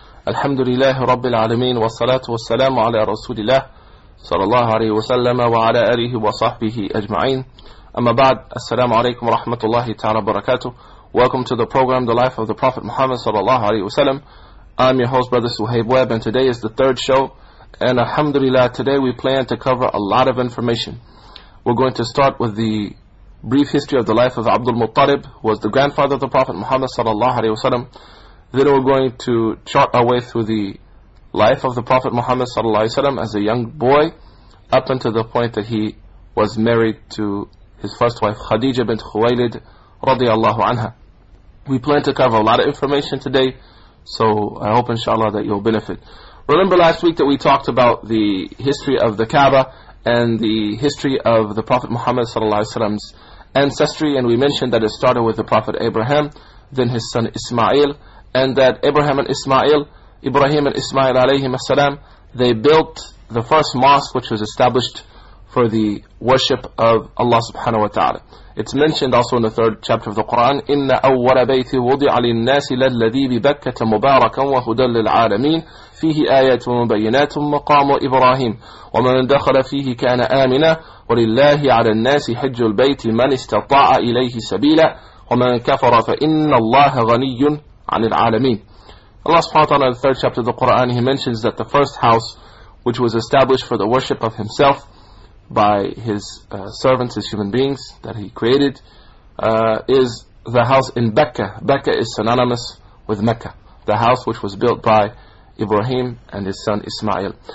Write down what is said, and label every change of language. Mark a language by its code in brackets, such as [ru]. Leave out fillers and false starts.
[ar] الحمد لله رب العالمين، والصلاة والسلام على رسول الله صلى الله عليه وسلم وعلى آله وصحبه أجمعين. أما بعد، السلام عليكم ورحمة الله تعالى وبركاته. [en] Welcome to the program The Life of the Prophet Muhammad [ar] صلى الله عليه وسلم. [en] I'm your host, Brother Suhaib Webb, and today is the third show. And alhamdulillah, today we plan to cover a lot of information. We're going to start with the brief history of the life of Abdul Muttalib, who was the grandfather of the Prophet Muhammad sallallahu alaihi wasallam. Then we're going to chart our way through the life of the Prophet Muhammad sallallahu alaihi wasallam as a young boy, up until the point that he was married to his first wife Khadija bint Khuwailid radiallahu anha. We plan to cover a lot of information today, so I hope inshallah that you'll benefit. Remember last week that we talked about the history of the Kaaba and the history of the Prophet Muhammad ﷺ's ancestry, and we mentioned that it started with the Prophet Abraham, then his son Ismail, and that Ibrahim and Ismail alayhim as-salam, they built the first mosque, which was established for the worship of Allah subhanahu wa ta'ala. It's mentioned also in the third chapter of the Quran, [ar] إِنَّ أَوَّلَ بَيْتِ وُضِعَ لِلنَّاسِ لَلَّذِي بِبَكَّةَ مُبَارَكًا وَهُدًى لِلْعَالَمِينَ فِيهِ آيَاتٌ مُبَيِّنَاتٌ مَقَامُ إِبْرَاهِيمَ وَمَنْ دَخَلَ فِيهِ كَانَ آمِنًا وَلِلَّهِ عَلَى النَّاسِ حِجُّ الْبَيْتِ مَنِ اسْتَطَاعَ إِلَيْهِ سَبِيلًا وَمَنْ كَفَرَ فَإِنَّ اللَّهَ غَنِيٌّ عَنِ الْعَالَمِينَ. [en] Allah subhanahu wa ta'ala, in the third chapter of the Quran, He mentions that the first house, which was established for the worship of Himself by His servants, His human beings that He created, is the house in Becca. Becca is synonymous with Mecca, the house which was built by Ibrahim and his son Ismail.